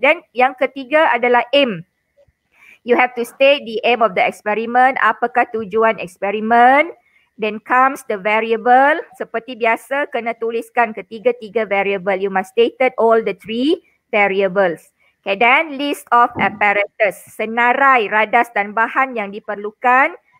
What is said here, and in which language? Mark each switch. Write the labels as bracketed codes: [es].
[ms] Dan yang ketiga adalah aim. [en] You have to state the aim of the experiment. [ms] Apakah tujuan eksperimen? [en] Then comes the variable. [ms] Seperti biasa, kena tuliskan ketiga-tiga variable. [en] You must state all the three variables. Okay, then list of apparatus, [ms] senarai, radas dan bahan yang diperlukan.